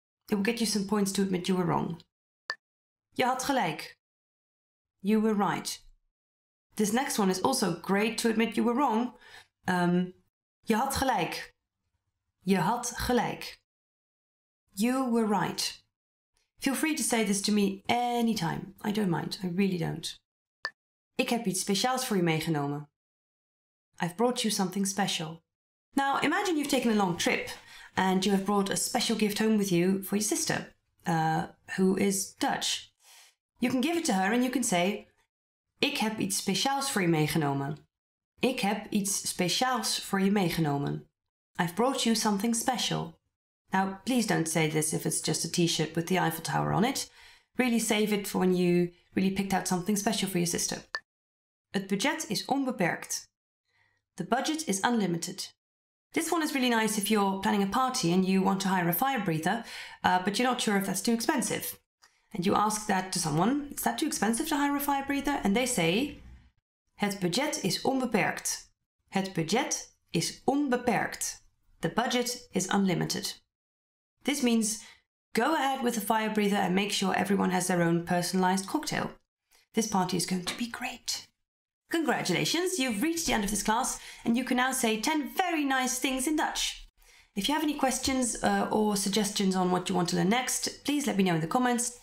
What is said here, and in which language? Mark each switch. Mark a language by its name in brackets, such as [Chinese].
[English] It will get you some points to admit you were wrong. [Dutch] Je had gelijk. [English] You were right. This next one is also great to admit you were wrong. [Dutch] Je had gelijk. Je had gelijk. [English] You were right. Feel free to say this to me anytime. I don't mind. I really don't. [Dutch] Ik heb iets speciaals voor je meegenomen. [English] I've brought you something special. Now, imagine you've taken a long trip and you have brought a special gift home with you for your sister, who is Dutch. You can give it to her and you can say, [Dutch] ik heb iets speciaals voor je meegenomen. Ik heb iets speciaals voor je meegenomen. [English] I've brought you something special. Now, please don't say this if it's just a t-shirt with the Eiffel Tower on it. Really save it for when you really picked out something special for your sister. [Dutch] Het budget is onbeperkt. [English] The budget is unlimited. This one is really nice if you're planning a party and you want to hire a fire breather, but you're not sure if that's too expensive. And you ask that to someone, is that too expensive to hire a fire breather? And they say, [Dutch] het budget is onbeperkt. Het budget is onbeperkt. [English] The budget is unlimited. This means go ahead with the fire breather and make sure everyone has their own personalized cocktail. This party is going to be great. Congratulations, you've reached the end of this class and you can now say 10 very nice things in Dutch. If you have any questions or suggestions on what you want to learn next, please let me know in the comments.